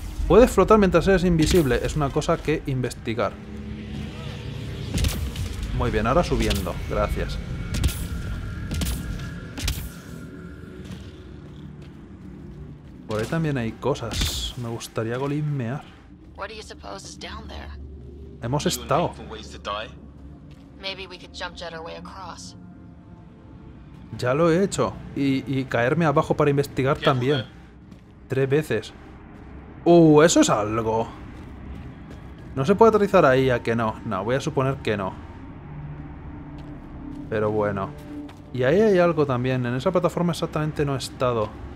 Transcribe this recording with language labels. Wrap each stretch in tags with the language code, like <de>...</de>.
<es>Puedes flotar mientras eres invisible, es una cosa que investigar. Muy bien, ahora subiendo. Gracias. Por ahí también hay cosas. Me gustaría golimmear.</es> <en>What do you suppose is down there?</en> <es>Hemos estado.</es> <en>Maybe we could jump jet our way across.</en> <es>Ya lo he hecho. Y caerme abajo para investigar también. Tres veces. Eso es algo. No se puede aterrizar ahí, ¿a que no? No, voy a suponer que no. Pero bueno. Y ahí hay algo también. En esa plataforma exactamente no he estado.</es>